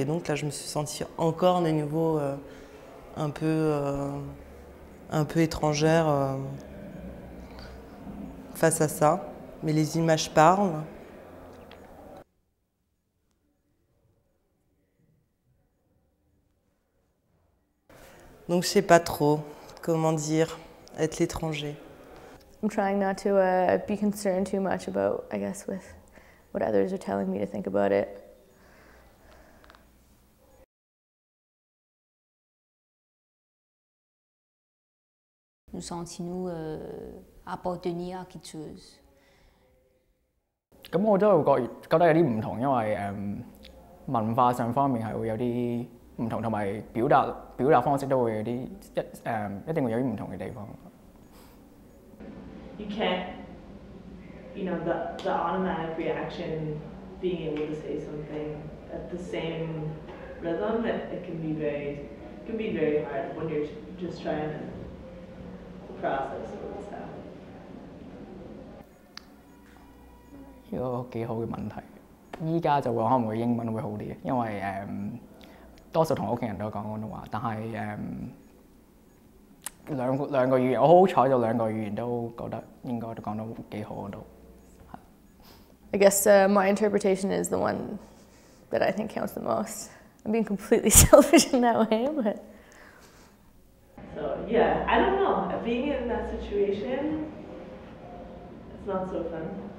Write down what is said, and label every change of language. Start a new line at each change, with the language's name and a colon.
French: Et donc là, je me suis sentie encore de nouveau un peu étrangère face à ça. Mais les images parlent. Donc je sais pas trop comment dire être l'étranger.
English: I'm trying not to be concerned too much about, I guess, with what others are telling me to think about it.
French: Nous sentons-nous appartenir à quelque chose.
Chinese: 咁我都覺得有啲唔同，因為文化上方面係會有啲。唔同，同埋表達方式都會有啲一定會有啲唔同嘅地方。
English: You can't, you know, the automatic reaction, being able to say something at the same rhythm, it can be very hard when you're just trying to process all this stuff.
Chinese: 一個幾好嘅問題，依家就會可能會英文會好啲，因為 多數同屋企人都講廣東話，但係兩個語言，我好彩就兩個語言都覺得應該都講得幾好都。
English: I guess my interpretation is the one that I think counts the most. I'm being completely selfish in that way, but. So yeah, I don't know. Being in that situation, it's not so fun.